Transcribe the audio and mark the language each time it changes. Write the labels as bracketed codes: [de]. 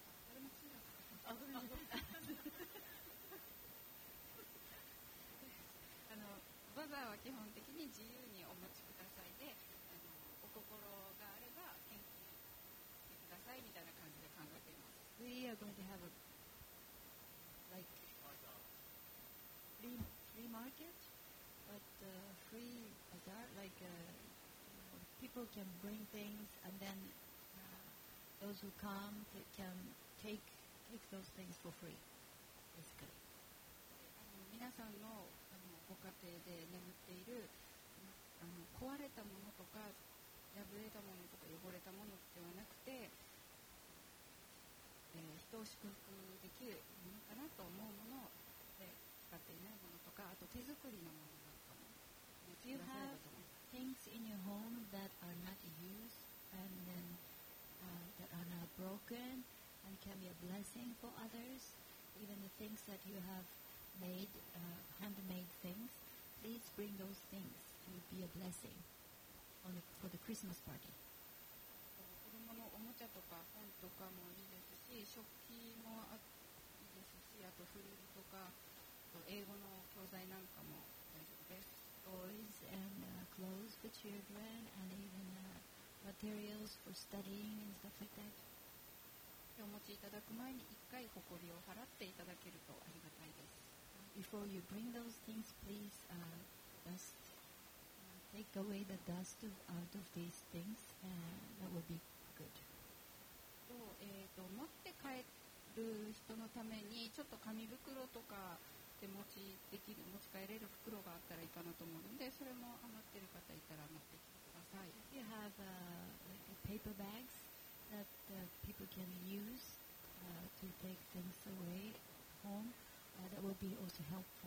[ja] 誰も知らなかった。バザーは基本的に自由にお持ちくださいで、お心があれば献金してくださいみたいな感じで考えています。 [en] We are going to have a like free marketBut free bazaar, like people can bring things, and then those who come can take those things for free, basically. [ja] 皆さん の, ご家庭で眠っている壊れたものとか破れたものとか汚れたものではなくて、人を祝福できるものかなと思うもの、で使っていないものとか、あと手作りのもの。 [en] Do you have things in your home that are not used and then that are not broken and can be a blessing for others? Even the things that you have made, handmade things, please bring those things. It would be a blessing for the Christmas party. [ja] 子供のおもちゃとか本とかもいいですし、食器もいいですし、あと古着とか、英語の教材なんかも大丈夫です。 [en] Toys and clothes for children, and even materials for studying and stuff like that. [ja] お持ちいただく前に一回誇りを払っていただけるとありがたいです。 [en] Before you bring those things, please dust, take away the dust out of these things, and that would be good. [ja] 持って帰る人のためにちょっと紙袋とか。持ち帰れる袋があったらいいかなと思うので、それも余ってる方いたら持ってきてください。 [en] If you have paper bags that people can use to take things away home, that would be also helpful.